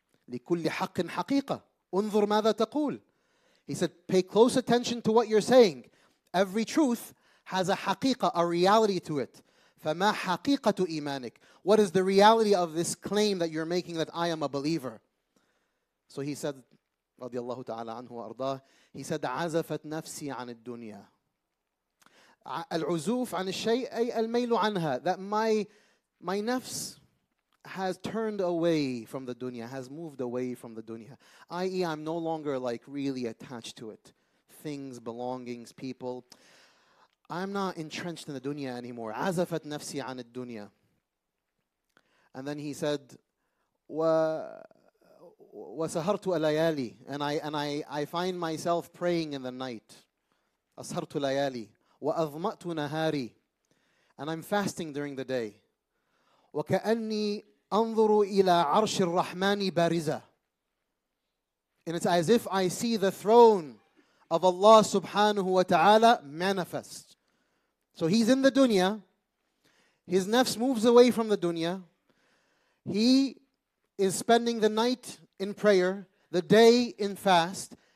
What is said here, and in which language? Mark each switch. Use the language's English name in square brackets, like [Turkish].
[Arabic] لكل حق حقيقة. انظر ماذا تقول. [English] He said, pay close attention to what you're saying. Every truth has a حقيقة, a reality to it. [Arabic] فما حقيقة إيمانك? [English] What is the reality of this claim that you're making that I am a believer? So he said, [Arabic] رضي الله تعالى عنه وأرضاه, [English] he said, [Arabic] عزفت نفسي عن الدنيا. العزوف عن الشيء أي الميل عنها. [English] That my nafs has turned away from the dunya, has moved away from the dunya. I.e. I'm no longer like really attached to it. Things, belongings, people. I'm not entrenched in the dunya anymore. [Arabic] عزفت نفسي عن الدنيا. [English] And then he said, [Arabic] وسهرت الليالي. [English] And I find myself praying in the night. [Arabic] أسهرت الليالي. وأظمأت نهاري. [English] And I'm fasting during the day. [Arabic] وكأني أنظر إلى عرش الرحمن بارزة. [English] And it's as if I see the throne of Allah subhanahu wa ta'ala manifest. So he's in the dunya. His nafs moves away from the dunya. He is spending the night in prayer, the day in fast.